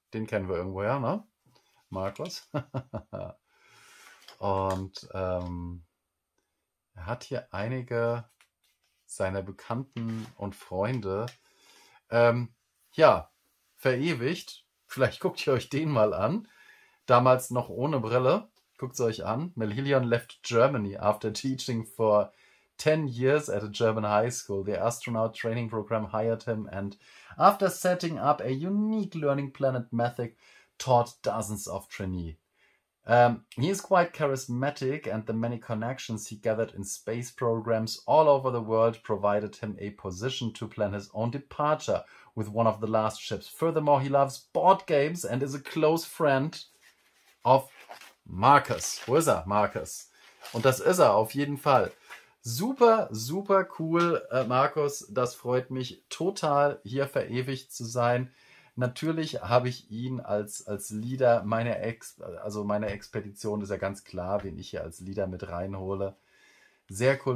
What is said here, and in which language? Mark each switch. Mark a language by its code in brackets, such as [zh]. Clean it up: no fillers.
[de] Den kennen wir irgendwoher, ne? Markus. Und er hat hier einige seiner Bekannten und Freunde verewigt. Vielleicht guckt ihr euch den mal an. Damals noch ohne Brille. Guckt es euch an. [en] Melillion left Germany after teaching for 10 years at a German high school. The astronaut training program hired him and after setting up a unique learning planet method taught dozens of trainees. He is quite charismatic and the many connections he gathered in space programs all over the world provided him a position to plan his own departure with one of the last ships. Furthermore, he loves board games and is a close friend of Marcus. [de] Wo ist er, Marcus? Und das ist er auf jeden Fall. Super, super cool, Markus. Das freut mich total, hier verewigt zu sein. Natürlich habe ich ihn als Leader meiner Expedition, ist ja ganz klar, wen ich hier als Leader mit reinhole. Sehr cool.